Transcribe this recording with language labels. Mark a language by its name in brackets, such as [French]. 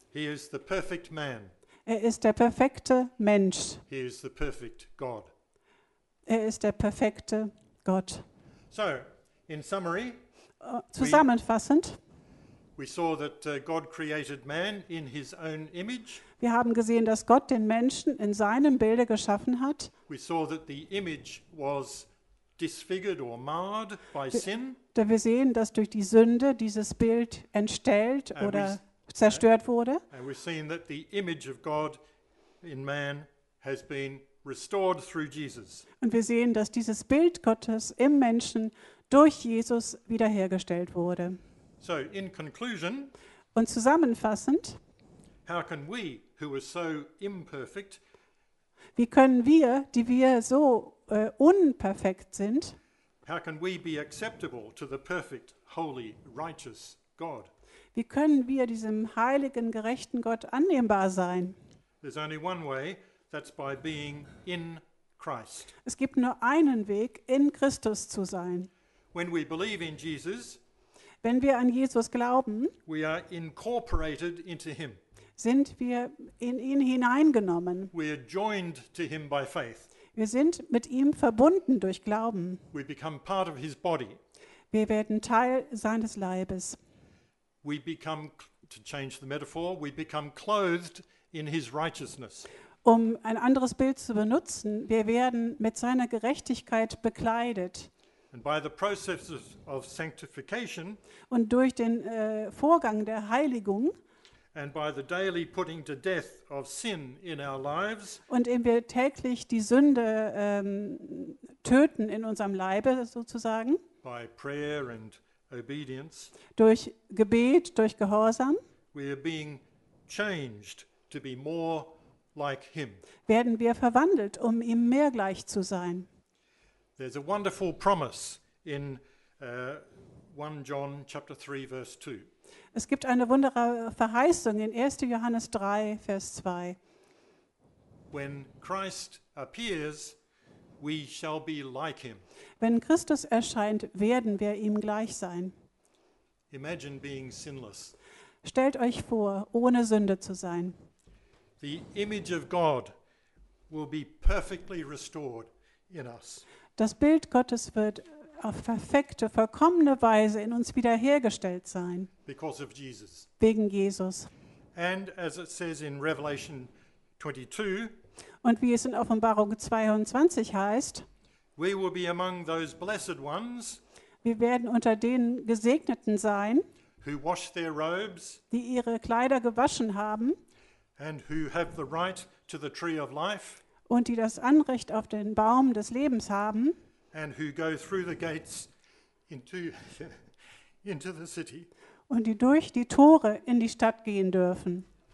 [English] He is the perfect man. [German] Er ist der perfekte Mensch. [English] He is the perfect God. [German] Er ist der perfekte Gott. [English] So, in summary, [German] zusammenfassend, [English] we saw that God created man in his own image. [German] Wir haben gesehen, dass Gott den Menschen in seinem Bilde geschaffen hat. [English] We saw that the image was disfigured or marred by sin. [German] Wir sehen, dass durch die Sünde dieses Bild entstellt oder zerstört wurde. [English] And we've seen that the image of God in man has been restored through Jesus. [German] Und wir sehen, dass dieses Bild Gottes im Menschen durch Jesus wiederhergestellt wurde. [English] So in conclusion, [German] und zusammenfassend, [English] how can we, who are so imperfect, [German] wie können wir, die wir so unperfekt sind, [English] how can we be acceptable to the perfect, holy, righteous God? [German] Wie können wir diesem heiligen, gerechten Gott annehmbar sein? [English] There's only one way, that's by being in Christ. [German] Es gibt nur einen Weg, in Christus zu sein. [English] When we believe in Jesus, [German] wenn wir an Jesus glauben, [English] we are incorporated into him. [German] Sind wir in ihn hineingenommen. [English] We are joined to him by faith. [German] Wir sind mit ihm verbunden durch Glauben. [English] We become part of his body. [German] Wir werden Teil seines Leibes. [English] We become, to change the metaphor, we become clothed in his righteousness. [German] Um ein anderes Bild zu benutzen, wir werden mit seiner Gerechtigkeit bekleidet. [English] And by the process of sanctification, [German] und durch den Vorgang der Heiligung, [English] and by the daily putting to death of sin in our lives, [German] und indem wir täglich die Sünde töten in unserem Leibe sozusagen, [English] by prayer and obedience, [German] durch Gebet, durch Gehorsam, [English] we are being changed to be more like him. [German] Werden wir verwandelt, um ihm mehr gleich zu sein. [English] There's a wonderful promise in 1 John chapter 3 verse 2. [German] Es gibt eine wunderbare Verheißung in 1. Johannes 3 Vers 2. [English] When Christ appears, we shall be like him. [German] Wenn Christus erscheint, werden wir ihm gleich sein. [English] Imagine being sinless. [German] Stellt euch vor, ohne Sünde zu sein. [English] The image of God will be perfectly restored in us. [German] Das Bild Gottes wird auf perfekte, vollkommene Weise in uns wiederhergestellt sein. [English] Because of Jesus. [German] Wegen Jesus. [English] And as it says in Revelation 22, [German] und wie es in Offenbarung 22 heißt, [English] we will be among those blessed ones, [German] wir werden unter den Gesegneten sein, [English] who wash their robes, [German] die ihre Kleider gewaschen haben, [English] and who have the right to the tree of life, [German] und die das Anrecht auf den Baum des Lebens haben, [English] and who go through the gates into the city, [German] und die durch die Tore in die Stadt gehen dürfen.